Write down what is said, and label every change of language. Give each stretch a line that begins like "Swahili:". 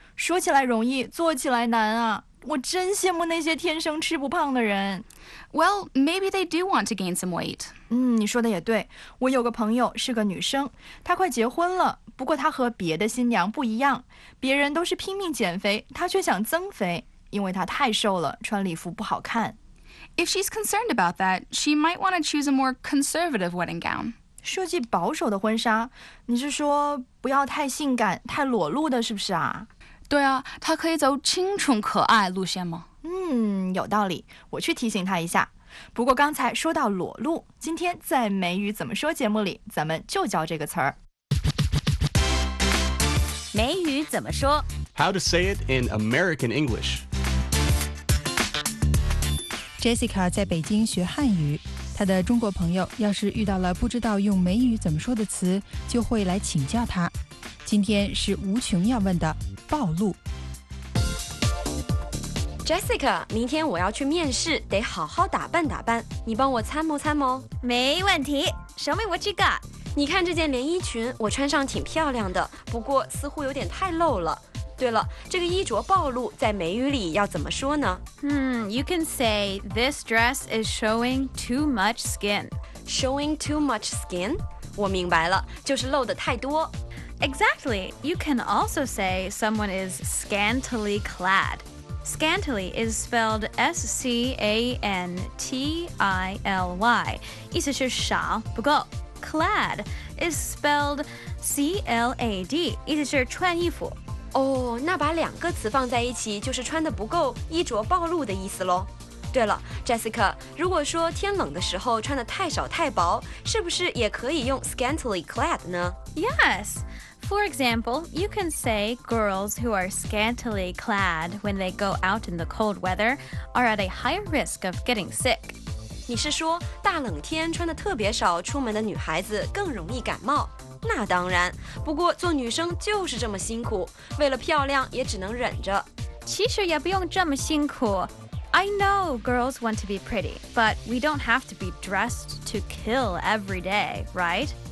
Chinese: 说起来容易，做起来难啊！我真羡慕那些天生吃不胖的人。
English: Well, maybe they do want to gain some weight.
Chinese: 嗯，你说的也对。我有个朋友是个女生，她快结婚了，不过她和别的新娘不一样，别人都是拼命减肥，她却想增肥，因为她太瘦了，穿礼服不好看。
English: If she's concerned about that, she might want to choose a more conservative wedding gown.
Chinese: 设计保守的婚纱，你是说？不要太性感，太裸露的，是不是啊？对啊，他可以走清纯可爱路线吗？嗯，有道理，我去提醒他一下。不过刚才说到裸露，今天在《美语怎么说》节目里，咱们就教这个词儿。美语怎么说
English: ？How to say it in American English?
Chinese: Jessica 在北京学汉语。他的中国朋友要是遇到了不知道用美语怎么说的词，就会来请教他。今天是无穷要问的暴露。 Jessica， 明天我要去面试，得好好打扮打扮，你帮我参谋参谋。没问题
English: ，Show me what you got。
Chinese: 你看这件连衣裙，我穿上挺漂亮的，不过似乎有点太露了。对了，这个衣着暴露在美语里要怎么说呢？
English: You can say this dress is showing too much skin. Showing too much skin?
Chinese: 我明白了，就是露得太多。
English: Exactly. You can also say someone is scantily clad. Scantily is spelled S-C-A-N-T-I-L-Y.
Chinese: 意思是少，不够。
English: Clad is spelled C-L-A-D.
Chinese: 意思是穿衣服。哦，那把两个词放在一起，就是穿得不够，衣着暴露的意思咯。对了 ，Jessica， 如果说天冷的时候穿得太少太薄，是不是也可以用 scantily clad 呢
English: ？Yes. For example, you can say girls who are scantily clad when they go out in the cold weather are at a higher risk of getting sick.
Chinese: 你是说大冷天穿得特别少出门的女孩子更容易感冒？那当然，不过做女生就是这么辛苦，为了漂亮也只能忍着。其实也不用这么辛苦。
English: I know girls want to be pretty, but we don't have to be dressed to kill every day, right?